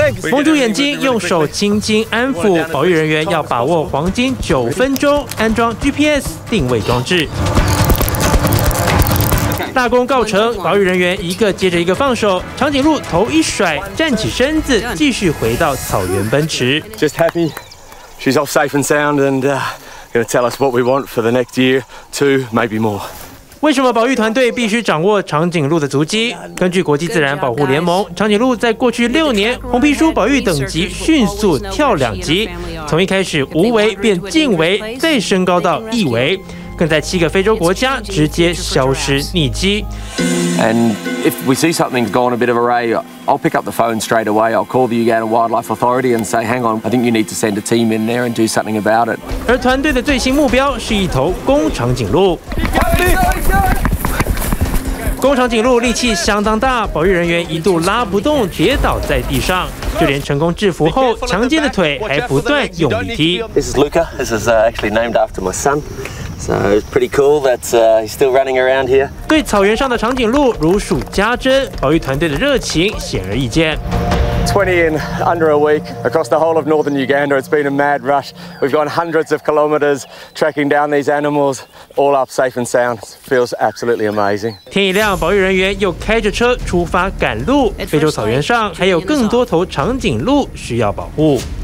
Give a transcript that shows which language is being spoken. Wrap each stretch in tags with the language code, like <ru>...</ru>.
<zh>蒙住眼睛，用手轻轻安抚。保育人员要把握黄金9分钟，安装 GPS 定位装置。大功告成，保育人员一个接着一个放手。长颈鹿头一甩，站起身子，继续回到草原奔驰。</zh> <en>Just happy, she's off safe and sound, and gonna tell us what we want for the next year, two, maybe more.</en> <zh>为什么保育团队必须掌握长颈鹿的足迹？根据国际自然保护联盟，长颈鹿在过去6年红皮书保育等级迅速跳2级，从一开始无危变近危，再升高到易危，更在7个非洲国家直接消失匿迹。</zh> <en>And if we see something's gone a bit of a ray, I'll pick up the phone straight away. I'll call the Uganda Wildlife Authority and say, "Hang on, I think you need to send a team in there and do something about it."</en> <zh>而团队的最新目标是一头公长颈鹿。公长颈鹿力气相当大，保育人员一度拉不动，跌倒在地上。就连成功制服后，强健的腿还不断用力踢。</zh> <en>This is Luca. This is actually named after my son. So it's pretty cool that he's still running around here.</en> <zh>对草原上的长颈鹿如数家珍，保育团队的热情显而易见。</zh> <en>20 in under a week across the whole of northern Uganda. It's been a mad rush. We've gone hundreds of kilometers tracking down these animals, all up safe and sound. Feels absolutely amazing.</en> <zh>天一亮，保育人员又开着车出发赶路。非洲草原上还有更多头长颈鹿需要保护。</zh>